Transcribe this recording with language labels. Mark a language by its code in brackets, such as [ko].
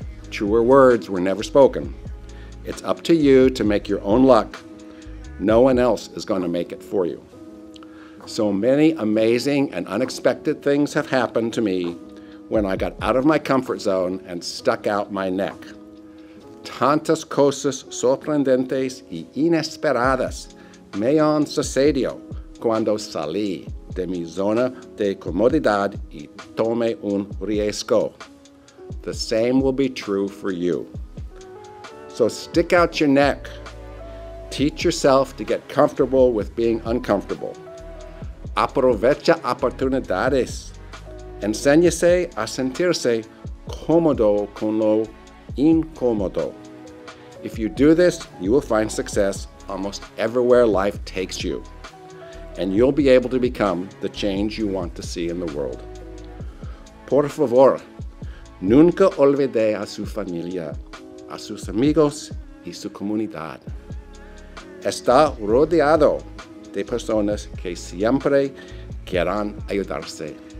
[en] Truer words were never spoken. It's up to you to make your own luck. No one else is going to make it for you. So many amazing and unexpected things have happened to me when I got out of my comfort zone and stuck out my neck. [es] Tantas cosas sorprendentes y inesperadas me han sucedido cuando salí de mi zona de comodidad y tomé un riesgo. [en] The same will be true for you. So stick out your neck. Teach yourself to get comfortable with being uncomfortable. [es] Aprovecha oportunidades. Enséñese a sentirse cómodo con lo incómodo. [en] If you do this, you will find success almost everywhere life takes you, and you'll be able to become the change you want to see in the world. [es] Por favor, nunca olvide a su familia, a sus amigos y su comunidad. Está rodeado de personas que siempre quieran ayudarse.